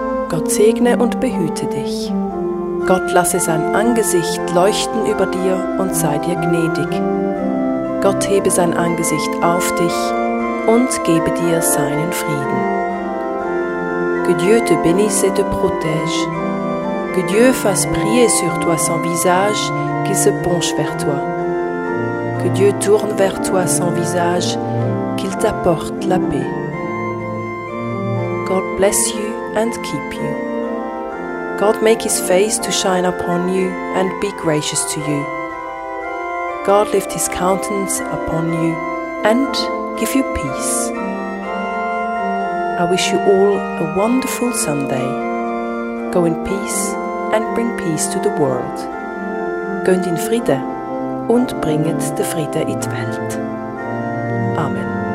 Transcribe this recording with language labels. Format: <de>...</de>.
<de>Gott segne und behüte dich. Gott lasse sein Angesicht leuchten über dir und sei dir gnädig. Gott hebe sein Angesicht auf dich und gebe dir seinen Frieden.</de> <fr>Que Dieu te bénisse et te protège. Que Dieu fasse briller sur toi son visage qui se penche vers toi. Que Dieu tourne vers toi son visage, qu'il t'apporte la paix.</fr> <en>God bless you and keep you. God make his face to shine upon you and be gracious to you. God lift his countenance upon you and give you peace. I wish you all a wonderful Sunday. Go in peace and bring peace to the world.</en> <de>Gönnt in Friede und bringet den Frieden in die Welt. Amen.</de>